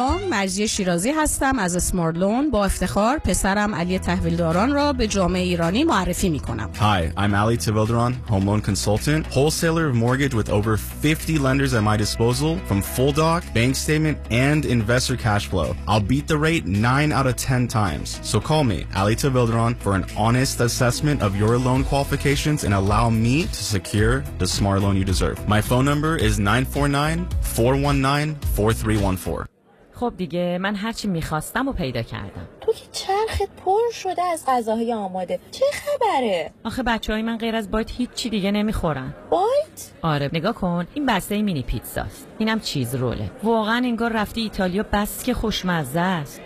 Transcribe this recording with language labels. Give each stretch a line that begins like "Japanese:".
Persian: مرزی شیرازی هستم از اسمارلون. با افتخار پسرم علی تحویلداران را به جامعه ایرانی معرفی میکنم.
English: Hi, I'm Ali Tevildaran, home loan consultant, wholesaler of mortgage with over 50 lenders at my disposal from full doc, bank statement and investor cash flow. I'll beat the rate 9 out of 10 times. So call me, Ali Tevildaran, for an honest assessment of your loan qualifications and allow me to secure the smart loan you deserve. My phone number is 949-419-4314.
Persian: خب دیگه من هرچی میخواستم و پیدا کردم. تو که چرخت پر شده از غذاهای آماده، چه خبره؟ آخه بچه های من غیر از بایت هیچی دیگه نمیخورن. بایت؟ آره نگاه کن، این بسته ای مینی پیتزاست، اینم چیز روله، واقعا انگار رفتی ایتالیا بس که خوشمزه است.